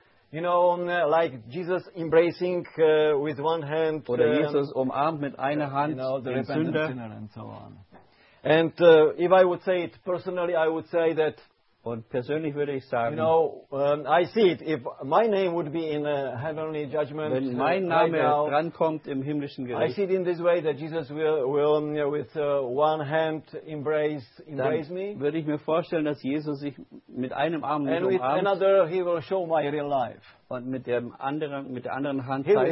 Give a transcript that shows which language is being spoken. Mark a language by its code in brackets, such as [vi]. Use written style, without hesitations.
[en] Like Jesus embracing with one hand. [de] Oder Jesus umarmt mit einer Hand [en] the [de] den Sünder. [en] And so on. And if I would say it personally, I would say that. [de] Und persönlich würde ich sagen. [en] I see it. If my name would be in a heavenly judgment. [de] Wenn mein Name [en] right now, [de] drankommt im himmlischen Gericht. [en] I see it in this way that Jesus will with one hand embrace me. [de] Dann würde ich mir vorstellen, dass Jesus sich mit einem Arm mich umarmt. [en] And with another he will show my real life. [de] Und mit der anderen Hand